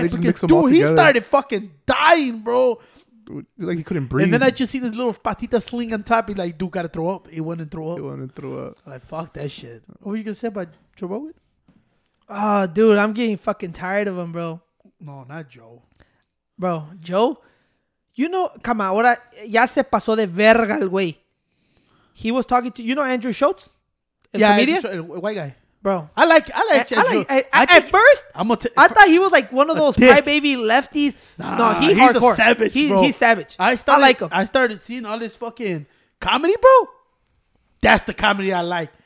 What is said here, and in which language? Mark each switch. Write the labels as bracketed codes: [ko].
[en] because, just mix dude, them all he started fucking dying, bro. Like he couldn't breathe. And then I just see this little patita sling on top. He's like, dude, gotta throw up. He wouldn't throw up. He wouldn't throw up. I'm like, fuck that shit. What were you gonna say about Joe Rogan? Oh, dude, I'm getting fucking tired of him, bro. No, not Joe. Bro, Joe? You know, come on. [es] Ahora, ya se pasó de verga el güey. [en] He was talking to, you know Andrew Schultz? Comedian? Andrew, white guy. Bro. At first, I thought he was like one of those crybaby lefties. Nah, no, he's hardcore. a savage, bro. He's savage. I like him. I started seeing all this fucking comedy, bro. That's the comedy I like.